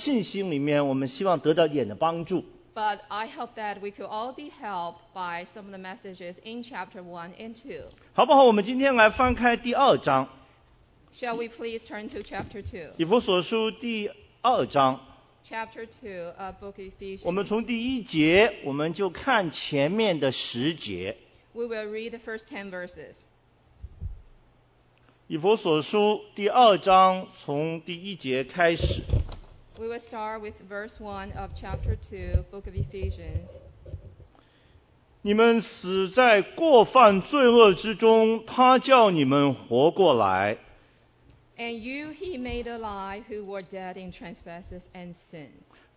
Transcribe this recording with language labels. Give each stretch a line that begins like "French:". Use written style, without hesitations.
Chinese: 但是我们就愿意在第一章跟第二章的信息里面，我们希望得到一点的帮助。
English: But I hope that we could all be helped by some of the messages in chapter 1 and 2.
Chinese: 好不好，我们今天来翻开第二章。
English: Shall we please turn to chapter 2?
Chinese: 以弗所书第二章。
English: Chapter 2, book of Ephesians.
Chinese: 我们从第一节，我们就看前面的10节。
English: We will read the first 10 verses.
Chinese: 以弗所书第二章从第一节开始。
English: We will start with verse 1 of chapter 2, book of Ephesians.
Chinese: 你们死在过犯罪恶之中，他叫你们活过来。
English: And you he made alive who were dead in trespasses and sins.